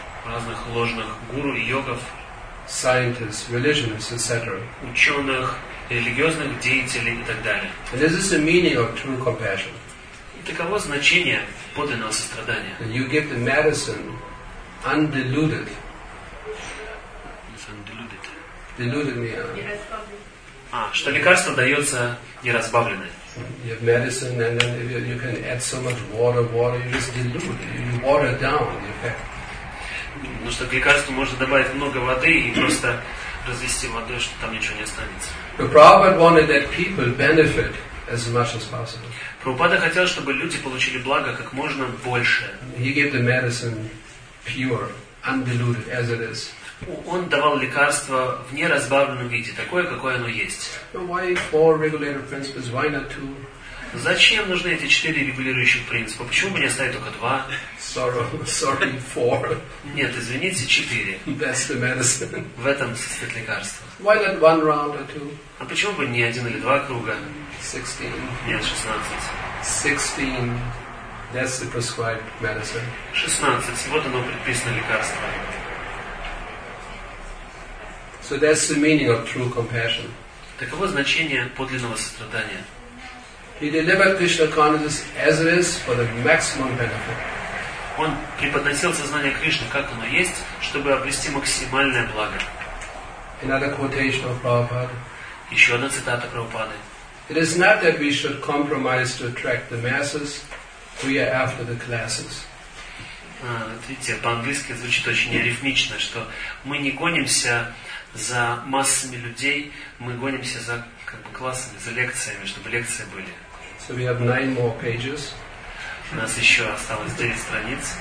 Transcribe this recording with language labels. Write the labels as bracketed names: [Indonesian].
[Russian] Разных ложных гуру и йогов. [English] Scientists, religionists, etc. [Russian] Ученых, религиозных деятелей и так далее. [English] And this is the meaning of true compassion. И таково значение подлинного сострадания. And you give the medicine undiluted. It's undiluted. Diluted me. [Russian] Что лекарство дается неразбавленное. [English] You have medicine and then you can add so much water, you just dilute, you water down the effect. [Russian] Ну, что к лекарству можно добавить много воды и просто развести водой, что там ничего не останется. [English] But Prabhupada wanted that people benefit as much as possible. [Russian] Прабхупада хотел, чтобы люди получили благо как можно больше. [English] He gave the medicine pure, undiluted, as it is. [Russian] Он давал лекарство в неразбавленном виде, такое, какое оно есть. [English] Why four regulatory principles? Why not two? [Russian] Зачем нужны эти четыре регулирующих принципа? Почему бы не оставить только два? [English] Sorry, four. [Russian] Нет, извините, четыре. [English] That's the medicine. [Russian] В этом состоит лекарство. [English] Why not one round or two? [Russian] А почему бы не один или два круга? 16. Нет, 16. [English] 16. That's the prescribed medicine. 16. [Russian] Вот оно предписано лекарство. [English] So that's the meaning of true compassion. [Russian] Таково значение подлинного сострадания. [English] He delivered Krishna consciousness as it is for the maximum benefit. [Russian] Он преподносил сознание Кришны как оно есть, чтобы обрести максимальное благо. [English] Another quotation of Prabhupada. [Russian] Еще одна цитата Прабхупады. [English] It is not that we should compromise to attract the masses. We are after the classes. [Russian] Видите, по-английски звучит очень арифмично, что мы не гонимся за массами людей, мы гонимся за как бы классами, за лекциями, чтобы лекции были. [English] So we have nine more pages. [Russian] У нас еще осталось 9 страниц.